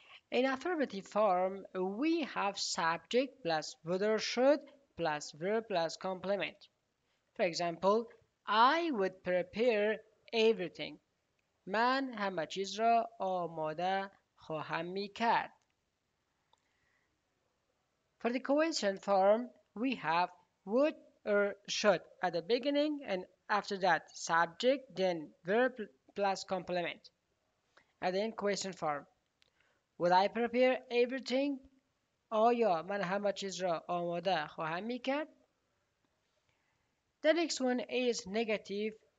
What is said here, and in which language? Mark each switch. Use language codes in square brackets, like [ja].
[en] In affirmative form, we have subject plus whether should plus verb plus complement. For example, I would prepare everything. [fa] من همه چیز را آماده خواهم می کرد. [en] For the question form, we have would or should at the beginning and after that subject, then verb plus complement. And then question form. Would I prepare everything? [fa] آیا من همه چیز را آماده خواهم می کرد؟ [en] The next one is negative.